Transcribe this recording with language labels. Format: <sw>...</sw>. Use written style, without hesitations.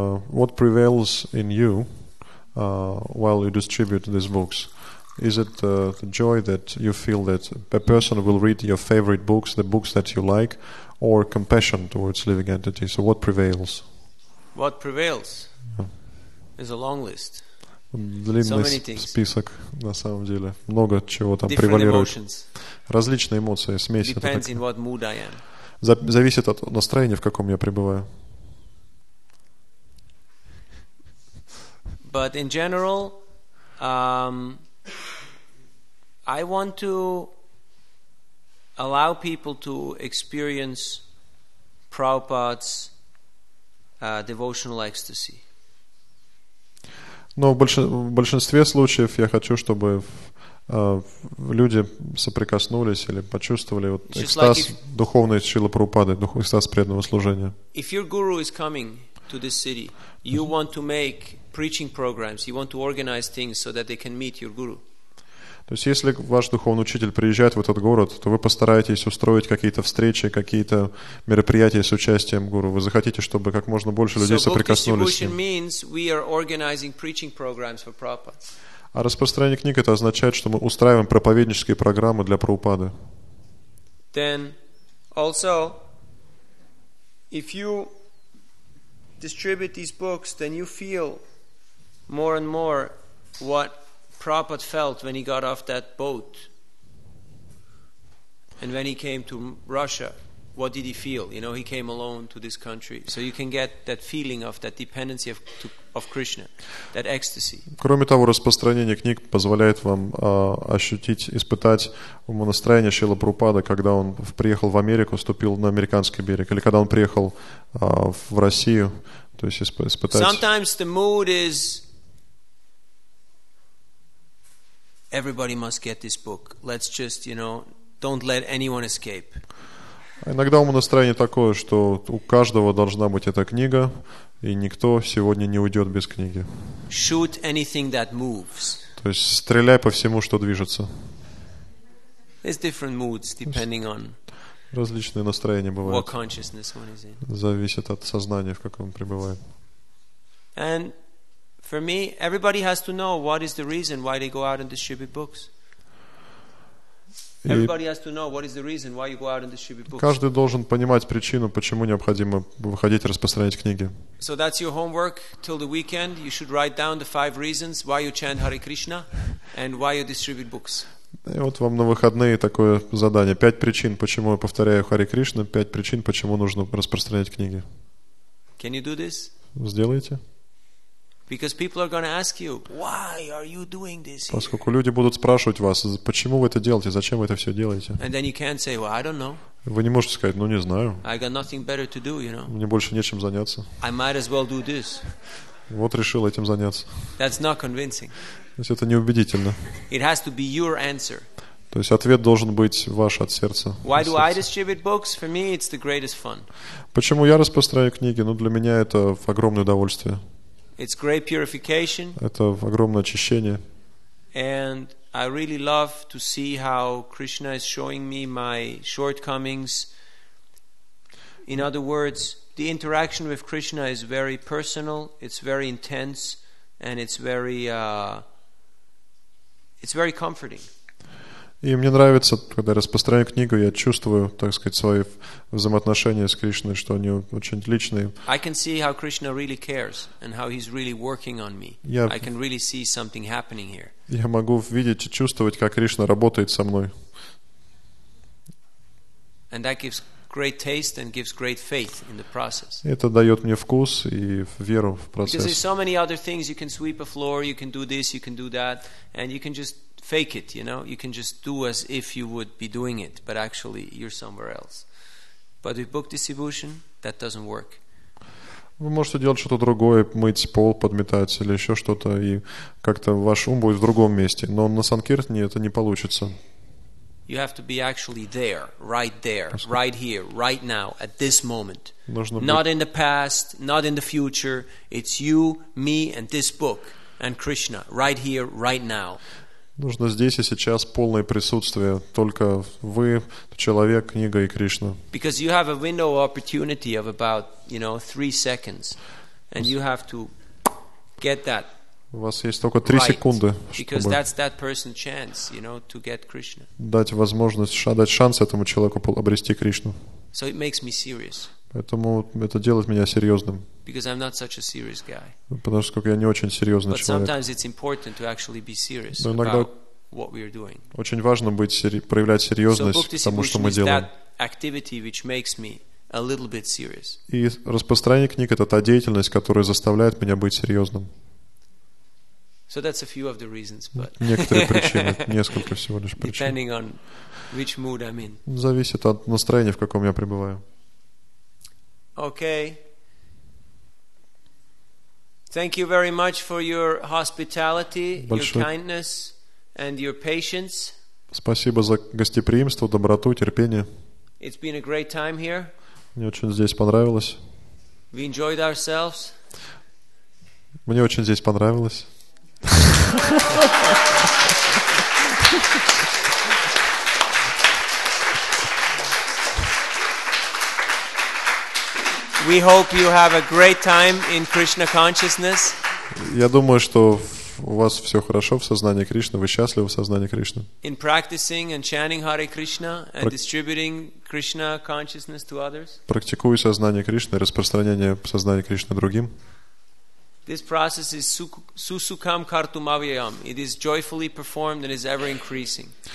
<en>What prevails in you while you distribute these books? Is it the joy that you feel that a person will read your favorite books, the books that you like, or compassion towards living entities? So what prevails? What prevails? There's a long list.</en> <ru>Длинный список, на самом деле. Много чего там превалирует. Различные эмоции, смесь.</ru> <en>Depends in what mood I am.</en> <ru>Зависит от настроения, в каком я пребываю.</ru> <en>But in general, I want to allow people to experience Prabhupada's devotional ecstasy.</en> <ru>Но в большинстве случаев я хочу, чтобы люди соприкоснулись или почувствовали вот экстаз духовной Шрилы Прабхупады, экстаз преданного служения.</ru> <en>If your guru is coming to this city, you want to make preaching programs, you want to organize things so that they can meet your guru.</en> <ru>То есть, если ваш духовный учитель приезжает в этот город, то вы постараетесь устроить какие-то встречи, какие-то мероприятия с участием гуру. Вы захотите, чтобы как можно больше людей соприкоснулись с ним.</ru> <en>Means we are organizing preaching programs for Prabhupada.</en> <ru>А распространение книг это означает, что мы устраиваем проповеднические программы для Прабхупады.</ru> <en>Then also if you distribute these books, then you feel more and more what Prabhupada felt when he got off that boat. And when he came to Russia, what did he feel? You know, he came alone to this country. So you can get that feeling of that dependency of Krishna, that ecstasy.</en> <ru>Кроме того, распространение книг позволяет вам ощутить, испытать настроение Шрилы Прабхупады, когда он приехал в Америку, ступил на американский берег, или когда он приехал в Россию, то есть испытать.</ru> <en>Sometimes the mood is everybody must get this book. Let's just, you know, don't let anyone escape.</en> <ru>Иногда у меня настроение такое, что у каждого должна быть эта книга, и никто сегодня не уйдет без книги.</ru> <en>Shoot anything that moves.</en> <ru>То есть стреляй по всему, что движется.</ru> <en>There's different moods depending on.</en> <ru>Различные настроения бывают.</ru> <en>What consciousness one is in.</en> <ru>Зависит от сознания, в каком он пребывает.</ru> <en>And for me, everybody has to know what is the reason why they go out and distribute books. Everybody has to know what is the reason why you go out and distribute books.</en> <ru>Каждый должен понимать причину, почему необходимо выходить и распространять книги.</ru> <en>So that's your homework till the weekend. You should write down the five reasons why you chant Hare Krishna and why you distribute books.</en> <ru>И вот вам на выходные такое задание. Пять причин, почему я повторяю Харе Кришна, пять причин, почему нужно распространять книги.</ru> <en>Can you do this?</en> <ru>Сделайте.</ru> <en>Because people are going to ask you, why are you doing this?</en> <ru>Поскольку люди будут спрашивать вас, почему вы это делаете, зачем вы это все делаете?</ru> <en>And then you can't say, well, I don't know.</en> <ru>Вы не можете сказать, ну не знаю.</ru> <en>I got nothing better to do, you know.</en> <ru>Мне больше нечем заняться.</ru> <en>I might as well do this.</en> <ru>Вот решил этим заняться.</ru> <en>That's not convincing.</en> <ru>То есть это неубедительно.</ru> <en>It has to be your answer.</en> <ru>То есть ответ должен быть ваш от сердца.</ru> <en>Why do I distribute books? For me, it's the greatest fun.</en> <ru>Почему я распространяю книги? Ну, для меня это огромное удовольствие.</ru> <en>It's great purification.</en> <ru>Это огромное очищение.</ru> <en>And I really love to see how Krishna is showing me my shortcomings. In other words, the interaction with Krishna is very personal, it's very intense, and it's very comforting.</en> <ru>И мне нравится, когда я распространяю книгу, я чувствую, так сказать, свои взаимоотношения с Кришной, что они очень личные.</ru> <en>I can see how Krishna really cares and how he's really working on me. I can really see something happening here.</en> <ru>Я могу видеть и чувствовать, как Кришна работает со мной.</ru> <en>And that gives great taste and gives great faith in the process.</en> <ru>Это дает мне вкус и веру в процесс.</ru> <en>Because there's so many other things you can sweep a floor, you can do this, you can do that, and you can just fake it, you know. You can just do as if you would be doing it, but actually you're somewhere else. But with book distribution, that doesn't work.</en> <ru>Вы можете делать что-то другое, мыть пол, подметать или еще что-то, и как-то ваш ум будет в другом месте. Но на Санкиртане это не получится.</ru> <en>You have to be actually there, right here, right now, at this moment.</en> <ru>Нужно быть...</ru> <en>Not in the past, not in the future. It's you, me, and this book, and Krishna, right here, right now.</en> <ru>Нужно здесь и сейчас полное присутствие. Только вы, человек, книга и Кришна.</ru> <en>Because you have a window of opportunity of about, you know, 3 seconds. And you have to get that.</en> <ru>У вас есть только 3 секунды,</ru> <en>because that's that person's chance, you know, to get Krishna.</en> <ru>Дать возможность, дать шанс этому человеку обрести Кришну.</ru> <en>So it makes me serious.</en> <ru>Поэтому это делает меня серьезным.</ru> <en>Because I'm not such a serious guy.</en> <ru>Потому что я не очень серьезный человек.</ru> <en>But sometimes it's important to actually be serious about what we are doing.</en> <ru>Очень важно быть, проявлять серьезность к тому, что мы делаем.</ru> <en>So book distribution is that activity which makes me a little bit serious.</en> <ru>И распространение книг – это та деятельность, которая заставляет меня быть серьезным.</ru> <en>So that's a few of the reasons, but.</en> <ru>Некоторые причины, несколько всего лишь причин.</ru> <en>Depending on which mood I'm in.</en> <ru>Зависит от настроения, в каком я пребываю.</ru> <en>Okay. Thank you very much for your hospitality,</en> <ru>большое...</ru> <en>your kindness, and your patience.</en> <ru>Спасибо за гостеприимство, доброту, терпение.</ru> <en>It's been a great time here.</en> <ru>Мне очень здесь понравилось.</ru> <en>We enjoyed ourselves.</en> <ru>Мне очень здесь понравилось.</ru> <en>We hope you have a great time in Krishna consciousness.</en> <ru>Я думаю, что у вас все хорошо в сознании Кришны, вы счастливы в сознании Кришны.</ru> <en>In practicing and chanting Hare Krishna and distributing Krishna consciousness to others.</en> <ru>Практикуя сознание Кришны, распространение сознания Кришны другим.</ru> <en>This process is</en> <sa>susukam kartum avyayam.</sa> <en>It is joyfully performed and is ever increasing.</en>